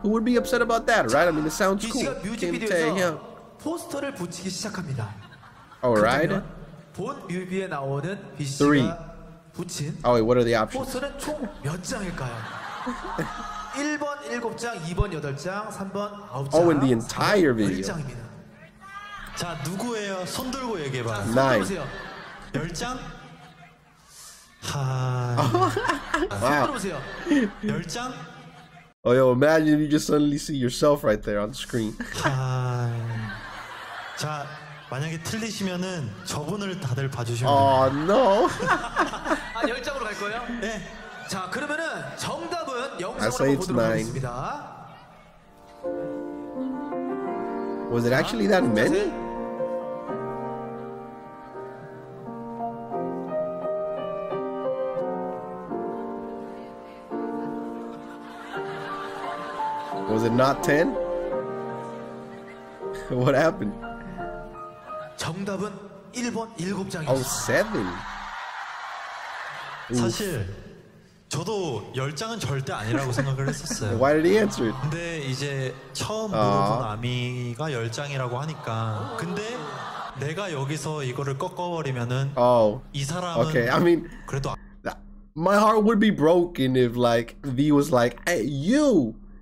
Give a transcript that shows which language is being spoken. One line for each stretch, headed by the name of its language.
English: Who would be upset about that, right? I mean, it sounds cool. Kim Taehyung.
Korean: 포스터를 붙이기 시작합니다.
English: All right.
Korean: 본 뮤비에 나오는 비씨가 붙인.
English: Oh wait, what are the options?
Korean: 포스터는 총 몇 장일까요? 1번 7장, 2번 8장, 3번 9장.
English: Oh, in the entire video.
Korean: 10장입니다. 자, 누구예요? 손 들고 얘기해 봐. 9. 10장? 하. 손 들어 보세요. 10장?
English: Oh, yo, imagine if you just suddenly see yourself right there on the screen.
Korean: 자, 만약에 틀리시면은 저분을 다들 봐주시면 돼요.
English: Oh, no.
Korean: 아, 10장으로 갈 거예요? 네. 자, 그러면은 정답은 영상으로 보도록 하겠습니다.
English: Was it actually that many? Was it not 10? What happened?
Korean: 정답은 1번 7장이었어요.
English: Oh, 7.
Korean: 사실 저도 10장은 절대 아니라고 생각을 했었어요.
English: Why did he answer it?
Korean: 근데 이제 처음 물어본 아미가 10장이라고 하니까. 근데 내가 여기서 이거를 꺾어버리면은 이 사람은
English: okay. I mean,
Korean: 그래도
English: My heart would be broken if like V was like, hey, you!